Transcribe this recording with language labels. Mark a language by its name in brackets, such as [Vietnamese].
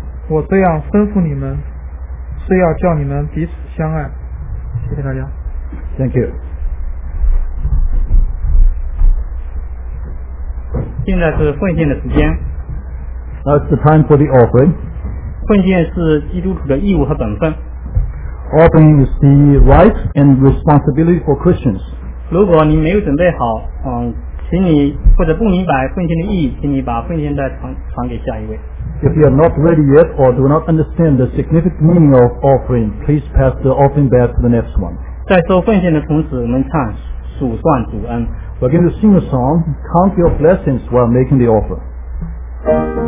[Chinese] 我这样吩咐你们，是要叫你们彼此相爱。谢谢大家。 [English] Thank you。 [Chinese] 现在是奉献的时间。 [English] That's the time for the offering。 [Chinese] 奉献是基督徒的义务和本分。 [English] Offering is the right and responsibility for Christians。 [Chinese] 如果你没有准备好，请你或者不明白奉献的意义，请你把奉献袋传给下一位。 [English] If you are not ready yet or do not understand the significant meaning of offering, please pass the offering bag to the next one. [Chinese] 在收奉献的同时，我们唱数算主恩。 [English] We're going to sing a song, Count Your Blessings While Making the Offer.